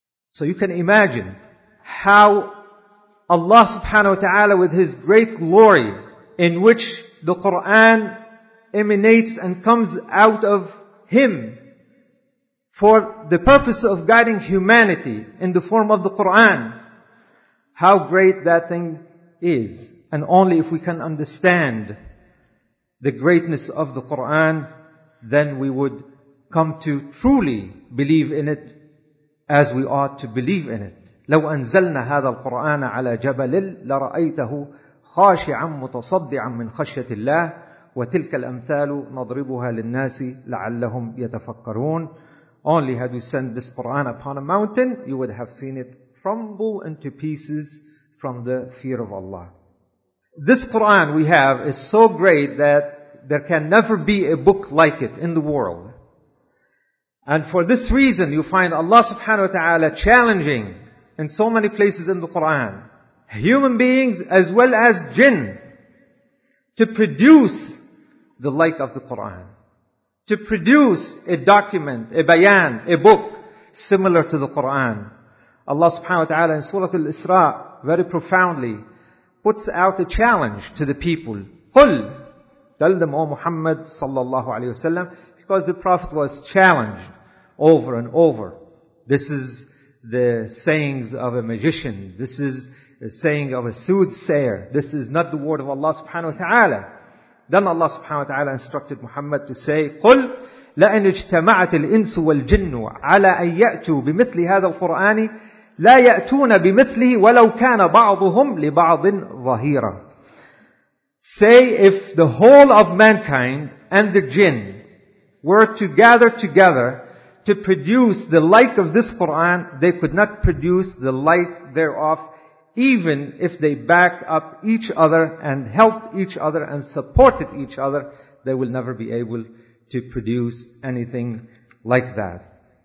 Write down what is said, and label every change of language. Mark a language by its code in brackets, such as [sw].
[en] So you can imagine how Allah subhanahu wa ta'ala, with His great glory, in which the Qur'an emanates and comes out of Him for the purpose of guiding humanity in the form of the Qur'an, how great that thing is. And only if we can understand the greatness of the Qur'an, then we would come to truly believe in it as we ought to believe in it. [ar] لو أنزلنا هذا القرآن على جبل لرأيته خاشعا متصدعا من خشية الله وتلك الأمثال نضربها للناس لعلهم يتفكرون. [en] Only had we sent this Quran upon a mountain, you would have seen it crumble into pieces from the fear of Allah. This Quran we have is so great that there can never be a book like it in the world. And for this reason, you find Allah subhanahu wa ta'ala challenging in so many places in the Qur'an human beings as well as jinn to produce the like of the Qur'an, to produce a document, a bayan, a book similar to the Qur'an. Allah subhanahu wa ta'ala in Surah Al-Isra very profoundly puts out a challenge to the people. [ar] قُلْ, [en] tell them, O Muhammad sallallahu alayhi wasallam. Because the Prophet was challenged over and over. This is the sayings of a magician. This is the saying of a soothsayer. This is not the word of Allah subhanahu wa ta'ala. Then Allah subhanahu wa ta'ala instructed Muhammad to say, [ar] قُلْ لَأَنْ اجْتَمَعَتِ الْإِنْسُ وَالْجِنُّ عَلَىٰ أَنْ يَأْتُوا بِمِثْلِ هَذَا الْقُرْآنِ لَا يَأْتُونَ بِمِثْلِهِ وَلَوْ كَانَ بَعْضُهُمْ لِبَعْضٍ ظَهِيرًا. [en] Say, if the whole of mankind and the jinn were to gather together to produce the like of this Qur'an, they could not produce the like thereof, even if they backed up each other and helped each other and supported each other, they will never be able to produce anything like that.